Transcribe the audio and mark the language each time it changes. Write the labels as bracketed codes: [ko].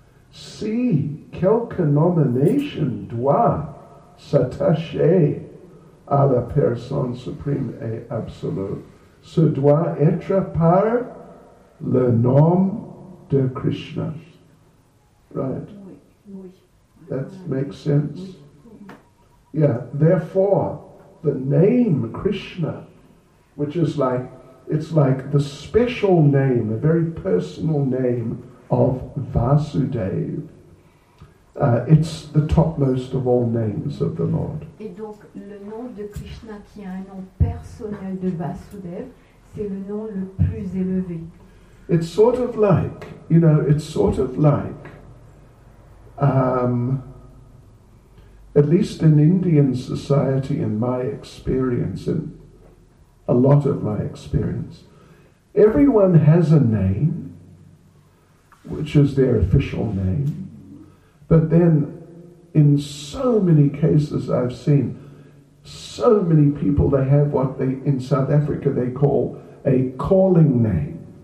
[fr] si quelque nomination doit s'attacher à la personne suprême et absolue, ce doit être par le nom de Krishna. [en] Right? That makes sense? Yeah, therefore, the name Krishna, which is like, it's like the special name, a very personal name of Vasudeva. It's the topmost of all names of the Lord. [fr] Et donc le nom de Krishna qui a un nom personnel de Vasudev, c'est le nom le plus élevé. [en] It's sort of like, you know, it's sort of like, at least in Indian society, in my experience, in a lot of my experience, everyone has a name, which is their official name, but then in so many cases I've seen, so many people, they have what they, in South Africa, they call a calling name.